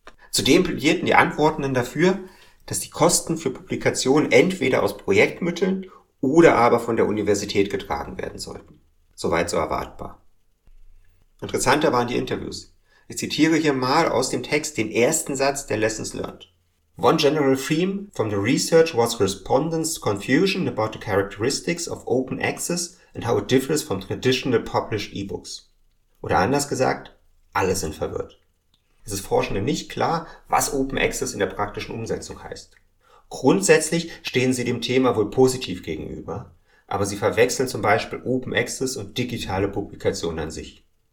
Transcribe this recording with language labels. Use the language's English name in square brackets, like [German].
[German] Zudem plädierten die Antwortenden dafür, dass die Kosten für Publikationen entweder aus Projektmitteln oder aber von der Universität getragen werden sollten. Soweit so erwartbar. Interessanter waren die Interviews. Ich zitiere hier mal aus dem Text den ersten Satz der Lessons Learned. [English] One general theme from the research was respondents' confusion about the characteristics of open access and how it differs from traditional published e-books. [German] Oder anders gesagt, alle sind verwirrt. Es ist Forschenden nicht klar, was open access in der praktischen Umsetzung heißt. Grundsätzlich stehen sie dem Thema wohl positiv gegenüber, aber sie verwechseln zum Beispiel Open Access und digitale Publikationen an sich.